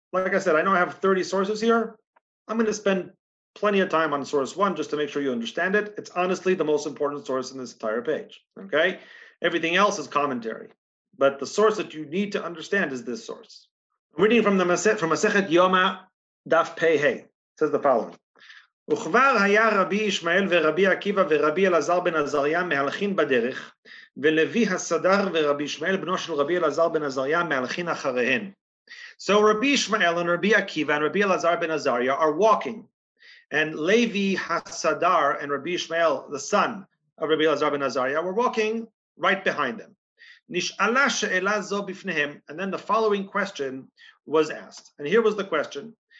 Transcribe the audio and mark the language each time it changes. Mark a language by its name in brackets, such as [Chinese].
[English] Like I said, I know I have 30 sources here. I'm going to spend plenty of time on source one just to make sure you understand it. It's honestly the most important source in this entire page. Okay. Everything else is commentary. But the source that you need to understand is this source. Reading from the Masechet Yoma, Daf Pei Hei, says the following. [Hebrew] וכבר היה רבי ישמעאל ורבי עקיבא ורבי אלעזר בן עזריה מהלכין בדרך ולוי הסדר ורבי ישמעאל בנו של רבי אלעזר בן עזריה מהלכין אחריהן. [English] So Rabbi Ishmael and Rabbi Akiva and Rabbi Elazar ben Azariah are walking, and Levi Hasadar and Rabbi Ishmael, the son of Rabbi Elazar ben Azariah, were walking right behind them. [Hebrew] Nish'ala she'ela zo bifnehem, [English] and then the following question was asked, and here was the question.